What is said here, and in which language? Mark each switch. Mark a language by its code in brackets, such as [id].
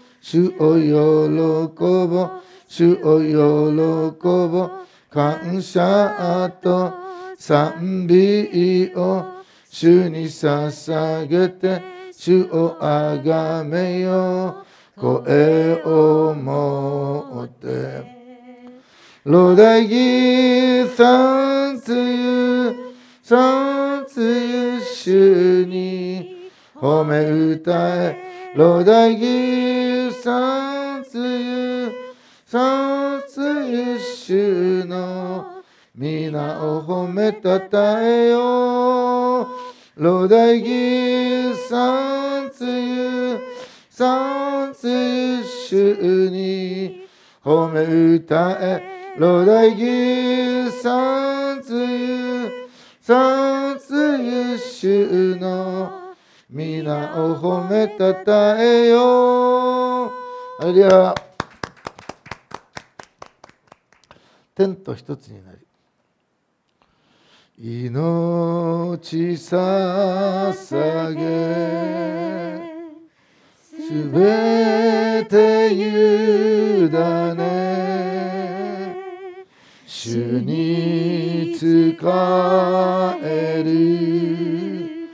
[ja] 主を喜ぼ、主を喜ぼ、感謝と賛美を主に捧げて、主をあがめよ、声を持って。 [en] Lord, I give thanks to you, thanks to you, [ja] 主に褒め歌え。 [en] Lord, I give thanks to you, thanks to you, [ja] 主の皆を褒めたたえよ。 [en] Lord, I give thanks to you, thanks to you, [ja] 主に褒め歌え。 [en] Lord, I give thanks to you, thanks to you, [ja] 主の皆を褒めたたえよ。アレルヤ。天と一つになり、命捧げ、すべて委ね、主に仕える。